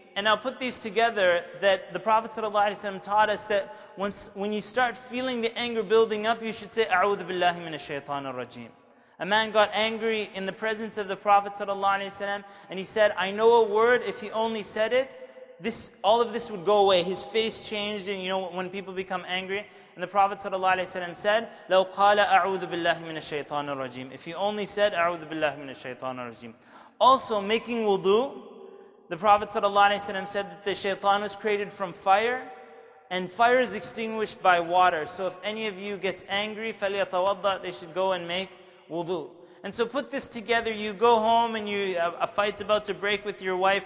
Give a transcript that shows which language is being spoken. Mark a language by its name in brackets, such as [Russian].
[English] And I'll put these together that the Prophet ﷺ taught us that when you start feeling the anger building up, you should say, [Arabic] أعوذ بالله من الشيطان الرجيم. [English] A man got angry in the presence of the Prophet ﷺ and he said, I know a word, if he only said it, all of this would go away. His face changed, and you know when people become angry. And the Prophet ﷺ said, [Arabic] لو قال أعوذ بالله من الشيطان الرجيم. [English] If he only said, [Arabic] أعوذ بالله من الشيطان الرجيم. [English] Also, making wudu, the Prophet ﷺ said that the shaitan was created from fire, and fire is extinguished by water. So if any of you gets angry, فَلْيَتَوَضَّأ, they should go and make wudu. And so put this together, you go home and a fight's about to break with your wife.